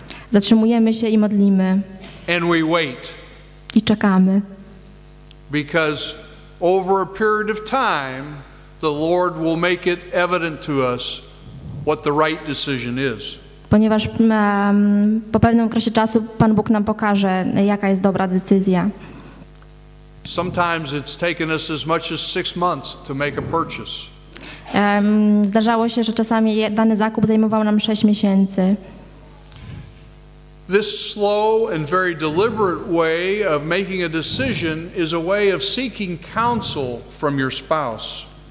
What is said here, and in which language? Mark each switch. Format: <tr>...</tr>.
<pl>Zatrzymujemy się i modlimy.</pl> <en>And we wait.</en> <pl>I czekamy.</pl> <en>Because over a period of time, the Lord will make it evident to us what the right decision is.</en> <pl>Ponieważ po pewnym okresie czasu Pan Bóg nam pokaże, jaka jest dobra decyzja.</pl> <en>Sometimes it's taken us as much as 6 months to make a purchase.</en> <pl>Zdarzało się, że czasami dany zakup zajmował nam 6 miesięcy.</pl> <en>This slow and very deliberate way of making a decision is a way of seeking counsel from your spouse.</en>